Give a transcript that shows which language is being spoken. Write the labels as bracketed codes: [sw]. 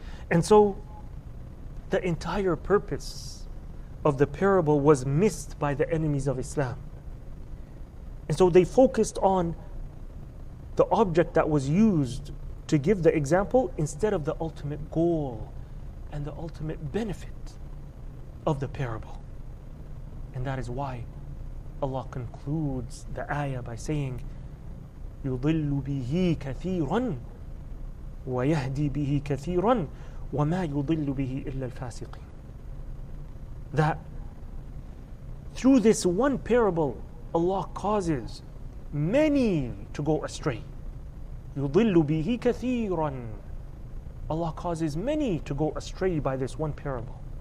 [en] And so the entire purpose of the parable was missed by the enemies of Islam. And so they focused on the object that was used to give the example instead of the ultimate goal and the ultimate benefit of the parable. And that is why Allah concludes the ayah by saying, [ar] يُضِلُّ بِهِ كَثِيرًا وَيَهْدِي بِهِ كَثِيرًا وَمَا يُضِلُّ بِهِ إِلَّا الْفَاسِقِينَ. [en] That through this one parable, Allah causes many to go astray. [ar] يُضِلُّ بِهِ كَثِيرًا. [en] Allah causes many to go astray by this one parable.